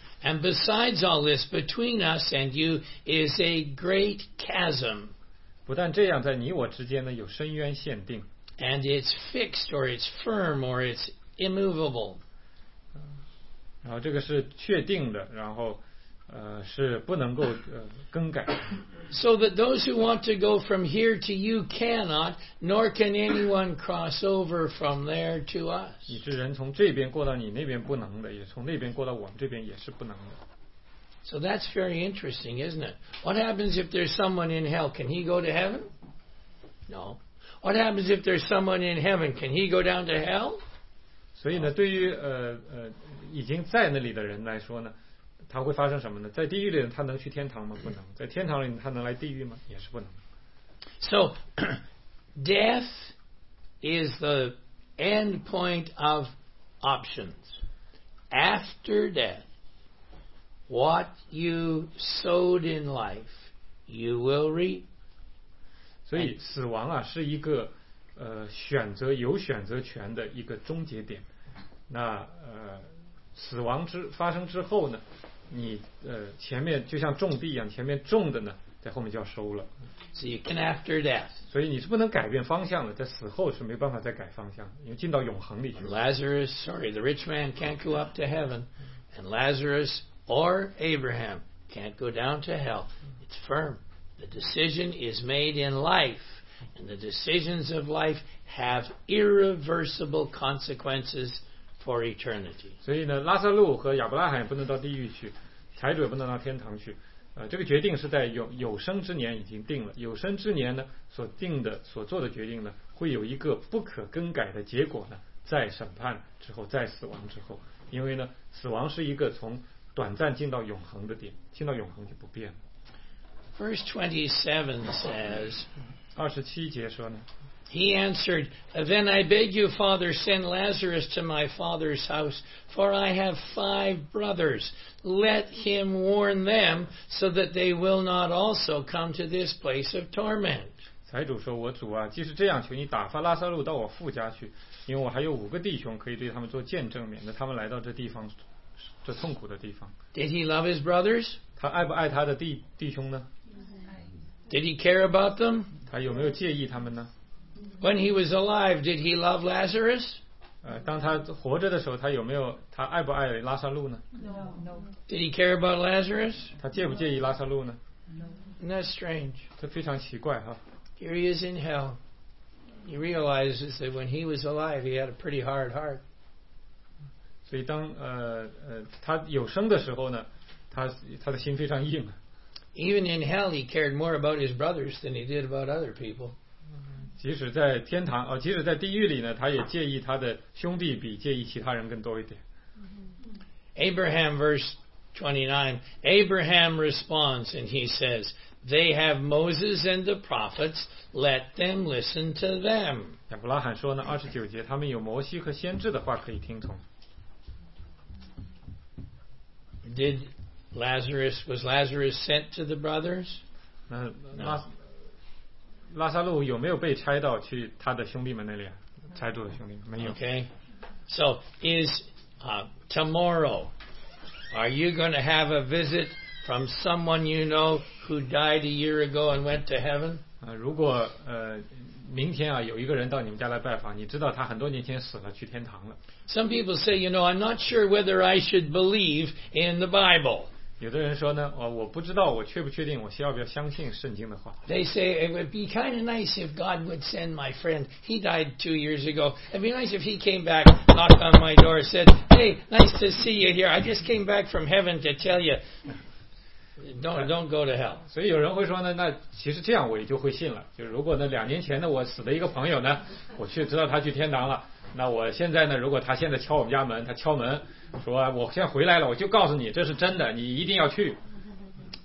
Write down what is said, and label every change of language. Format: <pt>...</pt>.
<en>And besides all this, between us and you is a great chasm.</en> <zh>不但这样，在你我之间呢，有深渊限定。</zh> <en>And it's fixed or it's firm or it's immovable.</en> <zh>然后这个是确定的，然后是不能够更改。</zh> <en>So that those who want to go from here to you cannot, nor can anyone cross over from there to us.</en> <zh>你是人从这边过到你那边不能的，也从那边过到我们这边也是不能的。</zh> <en>So that's very interesting, isn't it? What happens if there's someone in hell? Can he go to heaven? No. What happens if there's someone in heaven? Can he go down to hell?</en> <zh>所以呢，对于已经在那里的人来说呢。他会发生什么呢？在地狱里他能去天堂吗？不能。在天堂里他能来地狱吗？也是不能。</zh> <en>So, death is the end point of options. After death, what you sowed in life, you will reap.</en> <zh>所以死亡啊，是一个选择，有选择权的一个终结点。那死亡之发生之后呢？你前面就像种地一样，前面种的呢，在后面就要收了。</zh> <en>So you can after death.</en> <zh>所以你是不能改变方向的，在死后是没办法再改方向，因为进到永恒里去。</zh> <en>Lazarus, sorry, the rich man can't go up to heaven, and Lazarus or Abraham can't go down to hell. It's firm. The decision is made in life, and the decisions of life have irreversible consequences. For eternity.</en> <zh>所以呢，拉萨路和亚伯拉罕也不能到地狱去，财主也不能到天堂去。这个决定是在有生之年已经定了。有生之年呢，所定的、所做的决定呢，会有一个不可更改的结果呢，在审判之后，在死亡之后。因为呢，死亡是一个从短暂进到永恒的点，进到永恒就不变了。</zh> <en>Verse 27 says.</en> <zh>27节说呢。</zh> <en>He answered, Then I beg you, Father, send Lazarus to my father's house, for I have 5 brothers. Let him warn them, so that they will not also come to this place of torment.</en> <zh>财主说，我主啊，即使这样，求你打发拉撒路到我父家去，因为我还有五个弟兄可以对他们做见证，免得他们来到这地方，这痛苦的地方。</zh> <en>Did he love his brothers?</en> <zh>他爱不爱他的弟兄呢？</zh> <en>Did he care about them?</en> <zh>他有没有介意他们呢？</zh> <en>When he was alive, did he love Lazarus?</en> <zh>当他活着的时候，他有没有他爱不爱拉撒路呢？</zh> <en>No. Did he care about Lazarus?</en> <zh>他介不介意拉撒路呢？</zh> <en>No. Isn't that strange?</en> <zh>这非常奇怪哈。</zh> <en>Here he is in hell. He realizes that when he was alive, he had a pretty hard heart.</en> <zh>所以当他有生的时候呢，他的心非常硬。</zh> <en>Even in hell, he cared more about his brothers than he did about other people.</en> <zh>即使在天堂即使在地狱里呢，他也介意他的兄弟比介意其他人更多一点。</zh> <en>Abraham verse 29 Abraham responds and he says They have Moses and the prophets Let them listen to them</en> <zh>亚伯拉罕说呢29节他们有摩西和先知的话可以听从</zh> <en>Did Lazarus Was Lazarus sent to the brothers? No</en> <zh>拉撒路有没有被拆到去他的兄弟们那里啊？财主的兄弟们没有。</zh> <en>Okay, so is tomorrow? Are you going to have a visit from someone you know who died a year ago and went to heaven?</en> <zh>如果明天啊有一个人到你们家来拜访，你知道他很多年前死了去天堂了。</zh> <en>Some people say, you know, I'm not sure whether I should believe in the Bible.</en> <zh>有的人说呢，我不知道，我确不确定，我需要不要相信圣经的话。</zh> <en>They say it would be kind of nice if God would send my friend. He died 2 years ago. It'd be nice if he came back, knocked on my door, said, "Hey, nice to see you here. I just came back from heaven to tell you, don't go to hell."</en> <zh>所以有人会说呢，那其实这样我也就会信了。就如果呢，2年前呢，我死了一个朋友呢，我去知道他去天堂了。那我现在呢？如果他现在敲我们家门，他敲门说：“我现在回来了，我就告诉你，这是真的，你一定要去。”</zh>